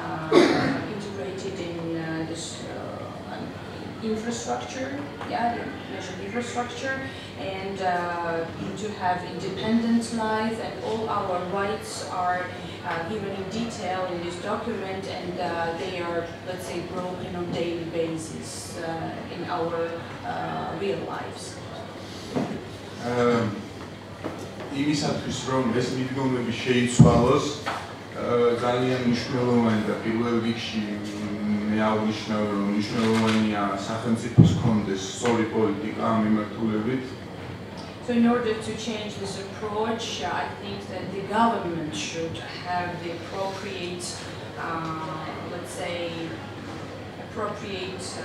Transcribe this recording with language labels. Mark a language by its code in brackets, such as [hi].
[en] to be integrated in this infrastructure, national infrastructure, and to have independent life, and all our rights are given in detail in this document, and they are, let's say, broken on daily basis in our real lives. [ka] იმისათვის რომ ეს მიდგომები შეიცვალოს ძალიან მნიშვნელოვანია და პირველ რიგში მე აღნიშნავ რომ მნიშვნელოვანია სახელმწიფოს კონდეს სწორი პოლიტიკა ამ მიმართულებით. [en] So in order to change this approach I think that the government should have the appropriate let's say appropriate